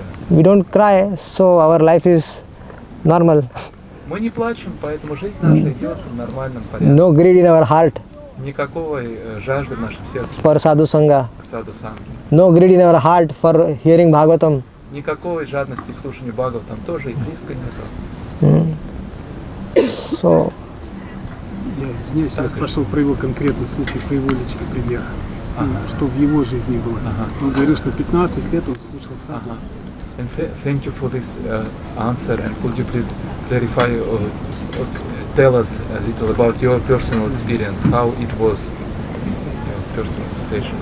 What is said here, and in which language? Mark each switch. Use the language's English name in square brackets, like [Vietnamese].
[English] We don't cry, so our life is normal. No greed in our heart. [Russian] Никакой жажды в нашем сердце. [English] For sadhu sangha. Sadhu sangha. No greed in our heart for hearing Bhagavatam. [Russian] Никакой жадности к слушанию Бхагаватам тоже и близко нету. [English] So. [Russian] Я извиняюсь, я спрашивал про его конкретный случай, про его личный пример. Uh-huh. Что в его жизни было. Uh-huh. Он говорил, что 15 лет он слушал сангу. [English] Uh-huh. And thank you for this answer. And could you please clarify tell us a little about your personal experience, how it was, your personal association.